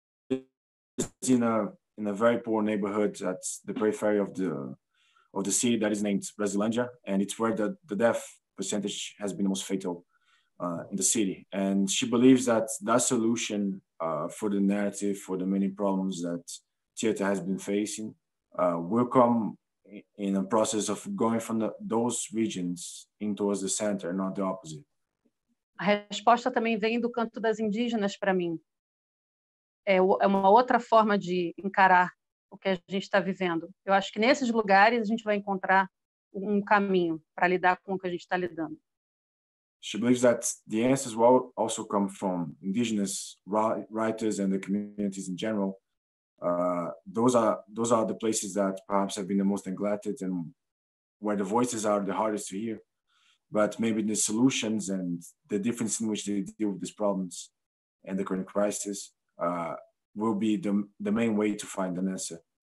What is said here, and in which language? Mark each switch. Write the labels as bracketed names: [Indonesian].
[English] She's in a very poor neighborhood at the periphery of the city that is named Brasilândia, and it's where the death percentage has been most fatal in the city. And she believes that that solution for the narrative, for the many problems that theater has been facing, will come in a process of going from those regions in towards the center, not the opposite. [Portuguese] A resposta também vem do canto das indígenas para mim. É uma outra forma de encarar o que a gente está vivendo. Eu acho que nesses lugares a gente vai encontrar um caminho para lidar com o que a gente está lidando. [English] She believes that the answers will also come from indigenous writers and the communities in general. Those are the places that perhaps have been the most neglected and where the voices are the hardest to hear. But maybe the solutions and the difference in which they deal with these problems and the current crisis will be the main way to find an answer.